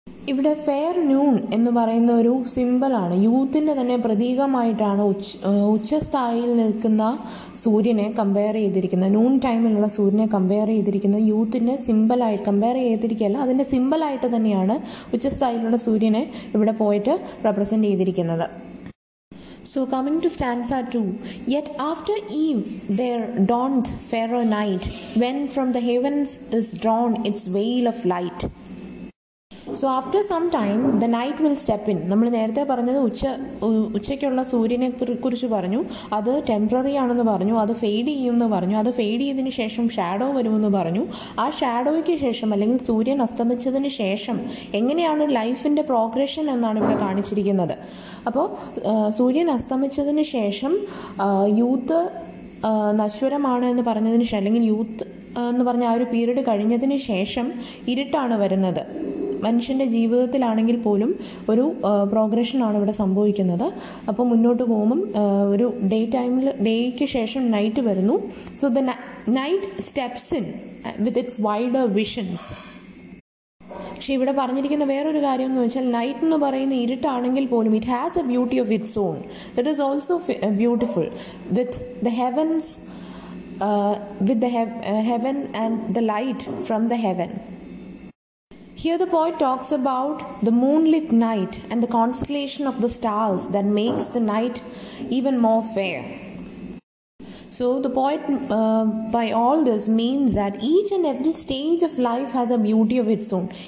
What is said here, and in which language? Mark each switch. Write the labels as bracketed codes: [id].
[ml] ഇവിടെ fair noon എന്ന് പറയുന്ന ഒരു സിമ്പിളാണ്, യൂത്തിൻ്റെ തന്നെ പ്രതീകമായിട്ടാണ് ഉച്ചസ്ഥായിയിൽ നിൽക്കുന്ന സൂര്യനെ കമ്പയർ ചെയ്തിരിക്കുന്നത്, നൂൺ ടൈമിലുള്ള സൂര്യനെ കമ്പയർ ചെയ്തിരിക്കുന്നത്, യൂത്തിൻ്റെ സിമ്പിളായിട്ട് കമ്പയർ ചെയ്തിരിക്കുകയല്ല, അതിൻ്റെ സിമ്പിളായിട്ട് തന്നെയാണ് ഉച്ചസ്ഥായിലുള്ള സൂര്യനെ ഇവിടെ പോയിട്ട് റെപ്രസെൻ്റ് ചെയ്തിരിക്കുന്നത്. [en] So coming to stanza 2, yet after eve there dawned fairer night, when from the heavens is drawn its veil of light. So after some time the night will step in. [ml] നമ്മൾ നേരത്തെ പറഞ്ഞത് ഉച്ചയ്ക്കുള്ള സൂര്യനെ കുറിച്ച് പറഞ്ഞു, അത് temporary ആണെന്ന് പറഞ്ഞു, അത് ഫെയ്ഡ് ചെയ്യുമെന്ന് പറഞ്ഞു, അത് ഫെയ്ഡ് ചെയ്തതിന് ശേഷം ഷാഡോ വരുമെന്ന് പറഞ്ഞു. ആ ഷാഡോയ്ക്ക് ശേഷം അല്ലെങ്കിൽ സൂര്യൻ അസ്തമിച്ചതിന് ശേഷം എങ്ങനെയാണ് ലൈഫിൻ്റെ പ്രോഗ്രഷൻ എന്നാണ് ഇവിടെ കാണിച്ചിരിക്കുന്നത്. അപ്പോൾ സൂര്യൻ അസ്തമിച്ചതിന് ശേഷം യൂത്ത് നശ്വരമാണ് എന്ന് പറഞ്ഞതിന് ശേഷം, അല്ലെങ്കിൽ യൂത്ത് എന്ന് പറഞ്ഞ ആ ഒരു പീരീഡ് കഴിഞ്ഞതിന് ശേഷം ഇരുട്ടാണ് വരുന്നത്. മനുഷ്യൻ്റെ ജീവിതത്തിലാണെങ്കിൽ പോലും ഒരു പ്രോഗ്രഷനാണ് ഇവിടെ സംഭവിക്കുന്നത്. അപ്പോൾ മുന്നോട്ട് പോകുമ്പം ഒരു ഡേ ടൈമിൽ, ഡേയ്ക്ക് ശേഷം നൈറ്റ് വരുന്നു. [en] So the night steps in with its wider visions. [ml] പക്ഷേ ഇവിടെ പറഞ്ഞിരിക്കുന്ന വേറൊരു കാര്യം എന്ന് വെച്ചാൽ, നൈറ്റ് എന്ന് പറയുന്ന ഇരുട്ടാണെങ്കിൽ പോലും [en] It has a beauty of its own, it is also beautiful with the heavens with the heaven and the light from the heaven. Here the poet talks about the moonlit night and the constellation of the stars that makes the night even more fair. So the poet by all this means that each and every stage of life has a beauty of its own.